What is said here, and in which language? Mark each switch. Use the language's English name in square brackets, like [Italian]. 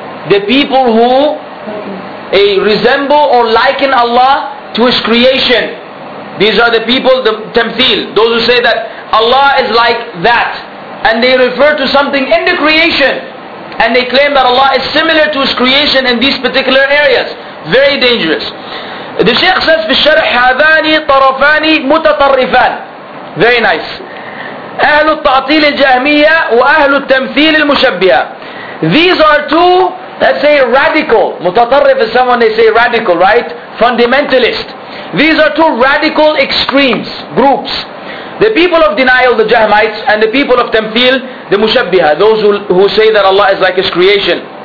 [English] The people who resemble or liken Allah to His creation. These are the people, the tamthil, those who say that Allah is like that. And they refer to something in the creation. And they claim that Allah is similar to His creation in these particular areas. Very dangerous. The Shaykh says, [Arabic] في الشرح هذاني طرفاني متطرفان. [English] Very nice. [Arabic] أهل التعطيل الجهمية وأهل التمثيل المشبهة. [English] These are two, let's say radical. متطرف is someone they say radical, right? Fundamentalist. These are two radical extremes, groups. The people of denial, the Jahmites, and the people of Tamthil, the Mushabbiha, those who say that Allah is like His creation.